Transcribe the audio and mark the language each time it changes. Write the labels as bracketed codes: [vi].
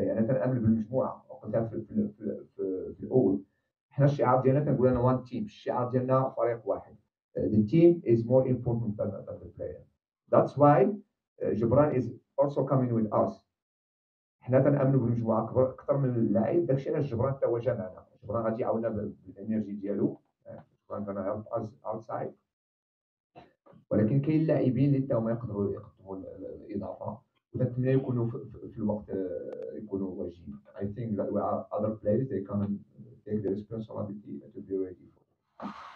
[ar] أنا تنأمل بالمجموعة وقلتها في الأول. إحنا الشعار ديالنا تنقول أنا [en] one team. [ar] الشعار ديالنا فريق واحد. [en] The team is more important than the player. That's why Jibran is also coming with us. [ar] حنا تنأمنوا بالمجموعة أكثر من اللاعب. داكشي علاش جبران تا هو جا معنا. جبران غادي يعاوننا بالإنرجي ديالو. جبران [en] Gonna help us outside. [ar] ولكن كاين لاعبين اللي تا هما يقدروا الإضافة. ونتمنى يكونوا في الوقت يكونوا واجدين. [en] I think that we are other players, they can take the responsibility to be ready for them.